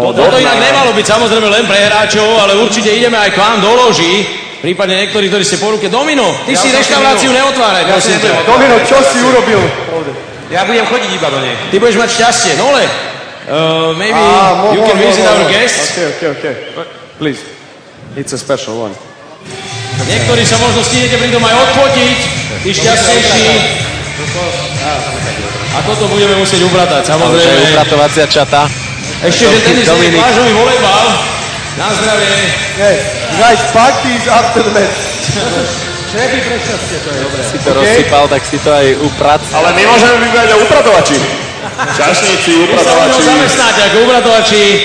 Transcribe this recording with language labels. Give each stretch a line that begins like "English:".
Slovak: Do dna. To inak nemalo byť samozrejme len pre hráčov, ale určite ideme aj k vám do loží. Prípadne niektorí, ktorí ste po ruke. Domino, ty si reštauráciu neotváraj, prosím ťa. Domino, čo si urobil? Ja budem chodiť iba do nej. Ty budeš mať šťastie. Nole.
English: Maybe you can visit our guests. Okay. Please. It's a special one.
Slovak: Niektorí sa možno stínete pri tom aj odfotiť, tí šťastnejší. A toto budeme musieť upratať, samozrejme. Samozrejme, upratovacia čata. Ešte, že tenis je plážový volejbal. Na zdravie.
English: Hey, guys, party is after the match.
Slovak: Čepi pre šťastie, to je dobré. Si to rozsypal, tak si to aj uprat. Ale my môžeme vybrať aj upratovači. Šťastnejší, upratovači. My sa môžeme zamestnať ako upratovači.